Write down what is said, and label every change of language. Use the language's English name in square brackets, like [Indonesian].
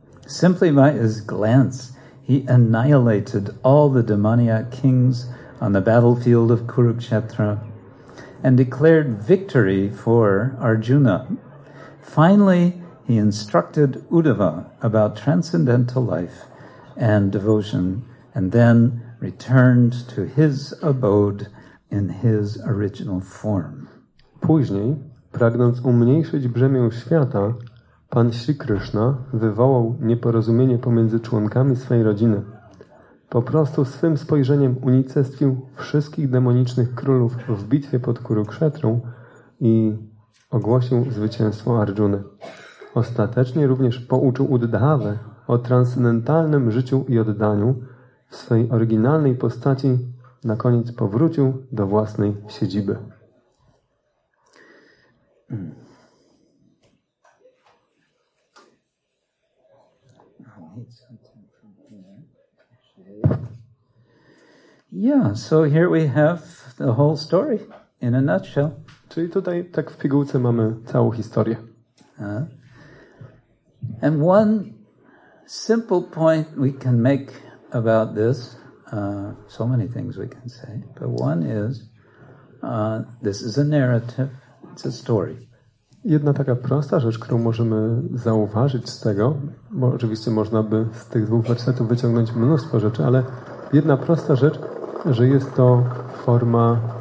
[English] Simply by his glance, he annihilated all the demoniac kings on the battlefield of Kurukshetra and declared victory for Arjuna. Finally, he instructed Uddhava about transcendental life and devotion, and then returned to his abode in his original form. [Polish] Później, pragnąc umniejszyć brzemię świata, Pan Śri Kryszna wywołał nieporozumienie pomiędzy członkami swej rodziny. Po prostu swym spojrzeniem unicestwił wszystkich demonicznych królów w bitwie pod Kurukshetrą i ogłosił zwycięstwo Arjuny. Ostatecznie również pouczył Uddhavę o transcendentalnym życiu i oddaniu. W swej oryginalnej postaci na koniec powrócił do własnej siedziby. [English] Yeah, so here we have the whole story in a nutshell. [Polish] Czyli tutaj tak w pigułce mamy całą historię. [English] And one simple point we can make about this, so many things we can say, but one is, this is a narrative, it's a story. [Polish] Jedna taka prosta rzecz, którą możemy zauważyć z tego, bo oczywiście można by z tych dwóch wersetów wyciągnąć mnóstwo rzeczy, ale jedna prosta rzecz, że jest to forma...